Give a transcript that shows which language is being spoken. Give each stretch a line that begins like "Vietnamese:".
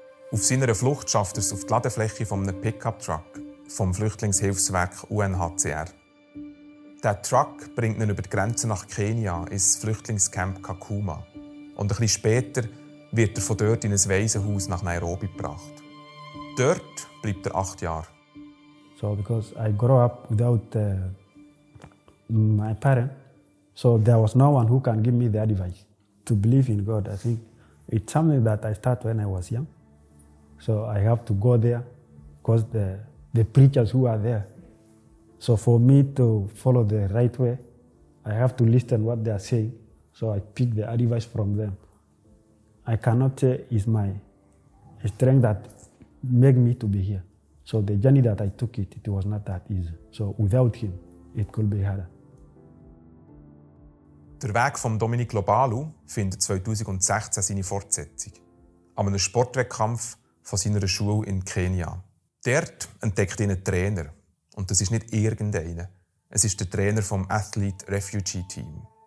German: Auf seiner Flucht schafft er es auf die Ladefläche eines Pickup-Truck vom Flüchtlingshilfswerk UNHCR. Der Truck bringt ihn über die Grenze nach Kenia ins Flüchtlingscamp Kakuma. Und ein bisschen später wird er von dort in ein Waisenhaus nach Nairobi gebracht. Dort bleibt er 8 Jahre.
English: So, because I grew up without my parents, so there was no one who can give me the advice to believe in God. I think it's something that I started when I was young. So I have to go there, because the preachers who are there. So for me to follow the right way, I have to listen what they are saying. So I pick the advice from them. I cannot say it's my strength that make me to be here. So the journey that I took it was not that easy. So without him, it could be harder.
German: Der Weg von Dominic Lobalu findet 2016 seine Fortsetzung. An einem Sportwettkampf von seiner Schule in Kenia. Dort entdeckt ihn ein Trainer. Und das ist nicht irgendeiner. Es ist der Trainer vom Athlete Refugee Team.